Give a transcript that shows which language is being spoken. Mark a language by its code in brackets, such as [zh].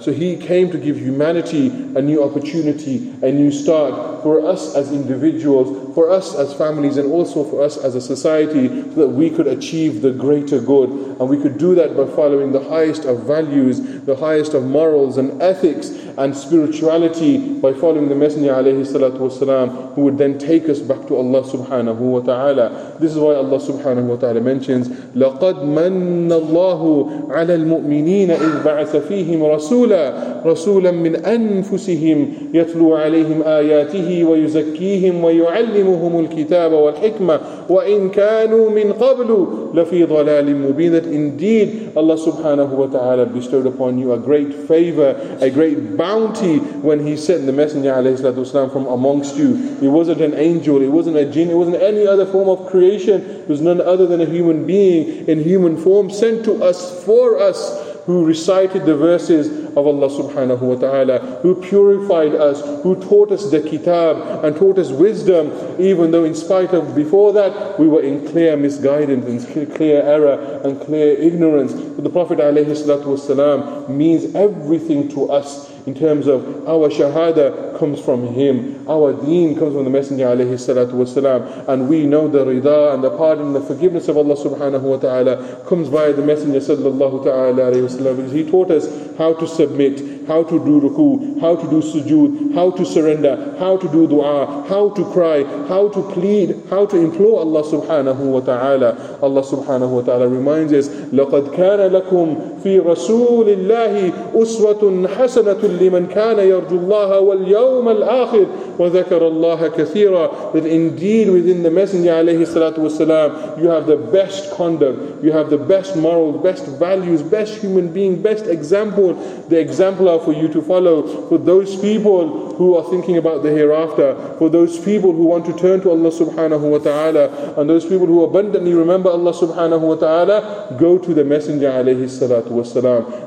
[en] So he came to give humanity a new opportunity, a new start for us as individuals, for us as families, and also for us as a society, so that we could achieve the greater good. And we could do that by following the highest of values, the highest of morals and ethics and spirituality, by following the Messenger alayhi salatu wasalam, who would then take us back to Allah subhanahu wa ta'ala. This is why Allah subhanahu wa ta'ala mentions [ar] لَقَدْ مَنَّ اللَّهُ عَلَى الْمُؤْمِنِينَ إِذْ بَعَثَ فِيهِمْ رَسُولًا مِّنْ أَنفُسِهِمْ يَتْلُو عَلَيْهِمْ آيَاتِهِ وَيُزَكِّيهِمْ وَيُعَلِّمُهُمُ الْكِتَابَ وَالْحِكْمَةَ وَإِنْ كَانُوا مِنْ قَبْلُ لَفِي ضَلَالٍ مُبِينٍ. [en] That indeed Allah subhanahu wa ta'ala bestowed upon you a great [ar] favor, a great [en] bounty when he sent the Messenger alayhi salatu wasalam from amongst you. He wasn't an angel, he wasn't a jinn, he wasn't any other form of creation. It was none other than a human being in human form sent to us for us, who recited the verses of Allah subhanahu wa ta'ala, who purified us, who taught us the kitab and taught us wisdom, even though in spite of before that we were in clear misguidance and clear error and clear ignorance. But the Prophet alayhi salatu wasalam means everything to us in terms of our shahada comes from him, our deen comes from the Messenger alayhi salatu wasalam, and we know the rida and the pardon and the forgiveness of Allah subhanahu wa ta'ala comes by the Messenger sallallahu ta'ala alayhi wasalam. He taught us how to submit, how to do ruku, how to do sujood, how to surrender, how to do dua, how to cry, how to plead, how to implore Allah subhanahu wa ta'ala. Allah subhanahu wa ta'ala reminds us, [ar] لَقَدْ كَانَ لَكُمْ فِي رَسُولِ اللَّهِ أُسْوَةٌ حَسَنَةٌ لِمَنْ كَانَ يَرْجُ اللَّهَ وَالْيَوْمَ الْآخِرِ وَذَكَرَ اللَّهَ كَثِيرًا. [en] That indeed within the Messenger alayhi salatu wasalam, you have the best conduct, you have the best morals, best values, best human being, best example, the exemplar for you to follow, for those people who are thinking about the hereafter, for those people who want to turn to Allah subhanahu wa ta'ala, and those people who abundantly remember Allah subhanahu wa ta'ala, go to the Messenger alayhi salatu wasalam.